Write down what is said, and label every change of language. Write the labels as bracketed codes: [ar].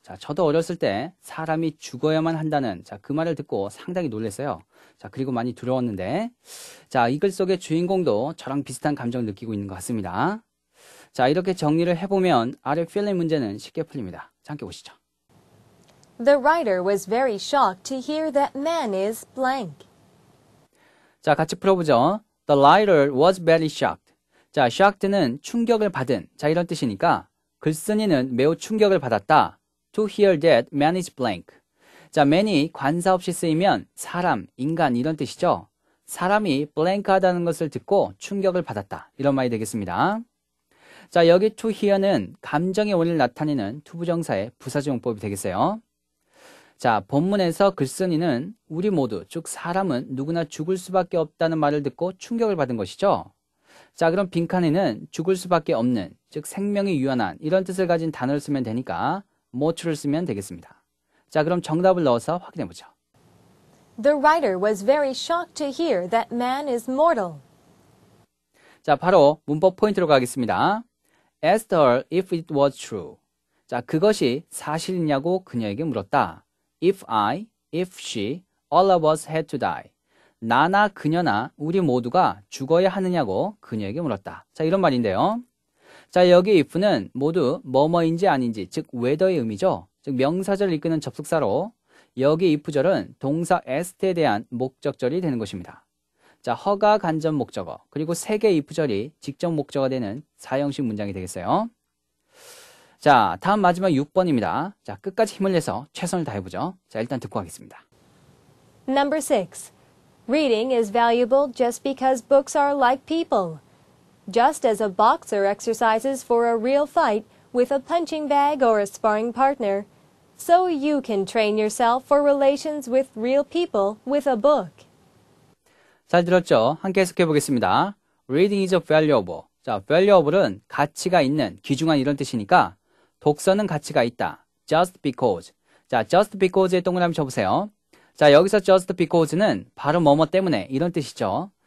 [ko] 자, 저도 어렸을 때 사람이 죽어야만 한다는 자, 그 말을 듣고 상당히 놀랐어요. 자, 그리고 많이 두려웠는데 자, 이 글 속의 주인공도 저랑 비슷한 감정을 느끼고 있는 것 같습니다. 자, 이렇게 정리를 해보면 아래 필링 문제는 쉽게 풀립니다. 함께 보시죠. [en] The writer was very shocked to hear that man is blank. [ko] 자, 같이 풀어보죠. [en] The writer was very shocked. [ko] 자, shocked는 충격을 받은, 자, 이런 뜻이니까 글쓴이는 매우 충격을 받았다. [en] To hear that man is blank. [ko] 자, man이 관사 없이 쓰이면 사람, 인간 이런 뜻이죠. 사람이 blank하다는 것을 듣고 충격을 받았다. 이런 말이 되겠습니다. 자, 여기 to hear는 감정의 원리를 나타내는 to 부정사의 부사지용법이 되겠어요. 자, 본문에서 글쓴이는 우리 모두, 즉 사람은 누구나 죽을 수밖에 없다는 말을 듣고 충격을 받은 것이죠. 자, 그럼 빈칸에는 죽을 수밖에 없는, 즉 생명이 유한한 이런 뜻을 가진 단어를 쓰면 되니까 much를 쓰면 되겠습니다. 자, 그럼 정답을 넣어서 확인해 보죠. [en] The writer was very shocked to hear that man is mortal. [ko] 자, 바로 문법 포인트로 가겠습니다. [en] Asked her if it was true. [ko] 자, 그것이 사실이냐고 그녀에게 물었다. [en] If I, if she, all of us had to die. [ko] 나나 그녀나 우리 모두가 죽어야 하느냐고 그녀에게 물었다. 자, 이런 말인데요. 자, 여기 if는 모두 뭐뭐인지 아닌지, 즉 whether의 의미죠. 즉 명사절을 이끄는 접속사로 여기 if절은 동사 est에 대한 목적절이 되는 것입니다. 자, 허가 간접 목적어, 그리고 세 개의 if절이 직접 목적어가 되는 사형식 문장이 되겠어요. 자, 다음 마지막 6번입니다. 자, 끝까지 힘을 내서 최선을 다해보죠. 자, 일단 듣고 가겠습니다. [en] Number 6. Reading is valuable just because books are like people. Just as a boxer exercises for a real fight with a punching bag or a sparring partner, so you can train yourself for relations with real people with a book. [ko] 잘 들었죠? 함께 해석해 보겠습니다. [en] Reading is valuable. [ko] 자, valuable은 가치가 있는, 귀중한 이런 뜻이니까 독서는 가치가 있다. [en] Just because. [ko] 자, just because에 동그라미 쳐보세요. 자, 여기서 just because는 바로 뭐뭐 때문에 이런 뜻이죠.